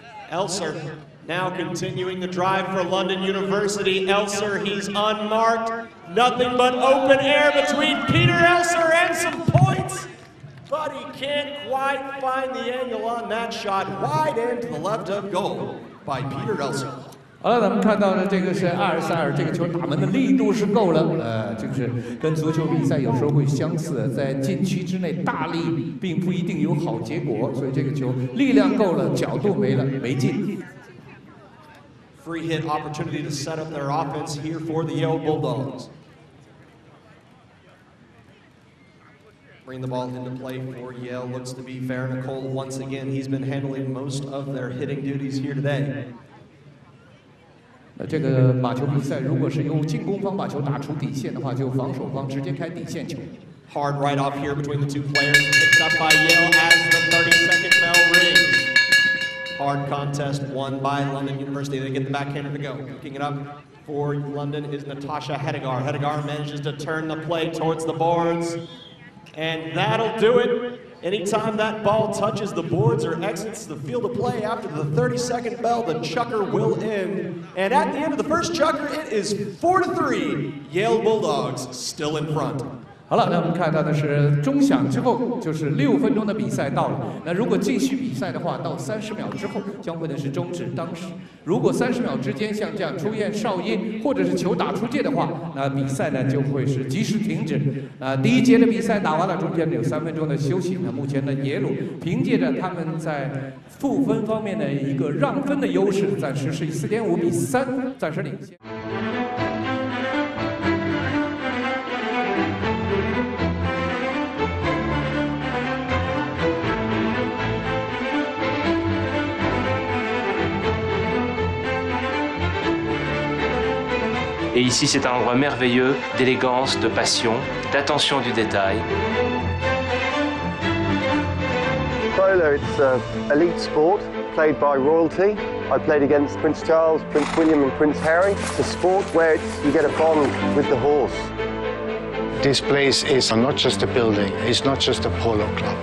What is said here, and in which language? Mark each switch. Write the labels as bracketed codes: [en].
[en] Elser now continuing the drive for London University. Elser, he's unmarked. Nothing but open air between Peter Elser and some points. But he can't quite find the angle on that shot. Wide end to the left of goal by Peter Elser. [zh] 好了，咱们看到了这个是22，这个球打门的力度是够了，就是跟足球比赛有时候会相似，在禁区之内大力并不一定有好结果，所以这个球力量够了，角度没了，没进。 [en] Free hit opportunity to set up their offense here for the Yale Bulldogs. Bring the ball into play for Yale. Looks to be Vera Nicole once again. He's been handling most of their hitting duties here today. [zh] 那这个马球比赛如果是由进攻方把球打出底线的话，就防守方直接开底线球。 [en] Hard right off here between the two players. Picked up by Yale as the 30-second bell rings. Hard contest won by London University. They get the backhander to go. Picking it up for London is Natascha Hedegaard. Hedegaard manages to turn the play towards the boards. And that'll do it. Anytime that ball touches the boards or exits the field of play after the 30-second bell, the chucker will end. And at the end of the first chucker, it is 4-3. Yale Bulldogs still in front. [zh] 好了，那我们看到的是钟响之后，就是6分钟的比赛到了。那如果继续比赛的话，到30秒之后将会的是终止。当时如果30秒之间像这样出现哨音，或者是球打出界的话，那比赛呢就会是及时停止。那第一节的比赛打完了，中间有3分钟的休息。那目前的耶鲁凭借着他们在负分方面的一个让分的优势，暂时是4.5-3，暂时领先。 [fr] Et ici, c'est un endroit merveilleux d'élégance, de passion, d'attention du détail. [en] Polo, it's an elite sport played by royalty. I played against Prince Charles, Prince William and Prince Harry. It's a sport where you get a bond with the horse. This place is not just a building, it's not just a polo club.